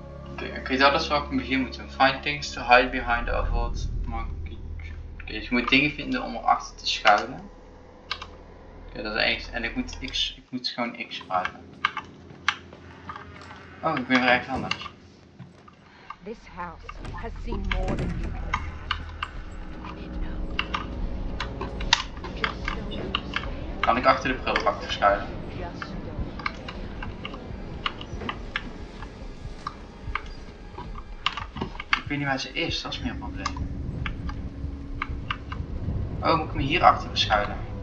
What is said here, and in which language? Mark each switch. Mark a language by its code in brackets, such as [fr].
[nl] Oké, dat is wat ik in het begin moet doen. [en] Find things to hide behind the vault. [nl] Oké, dus je moet dingen vinden om erachter te schuilen. Oké, dat is echt. En ik moet gewoon X sparen. Oh, ik ben weer echt anders. [en] This house has seen more than you can imagine. [nl] Kan ik achter de prullenbak verschuilen? Ik weet niet waar ze is, dat is meer een probleem. Oh, moet ik me hier achter verschuilen?